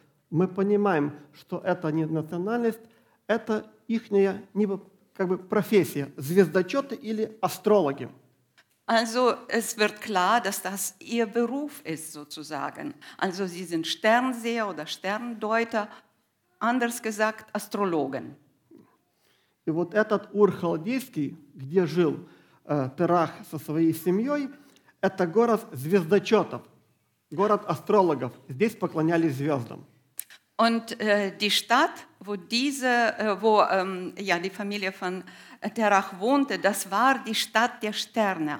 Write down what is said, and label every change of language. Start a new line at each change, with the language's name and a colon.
Russian: Мы понимаем, что это не национальность, это ихняя как бы профессия, звездочеты или астрологи.
German: Also es wird klar, dass das ihr Beruf ist sozusagen. Also sie sind Sternseher oder Sterndeuter, anders gesagt Astrologen.
Russian: И вот этот Ур-Халдейский, где жил Терах со своей семьей, это город звездочетов, город астрологов. Здесь поклонялись звездам.
German: Und die Stadt, wo die Familie von Terach wohnte, das war die Stadt der Sterne.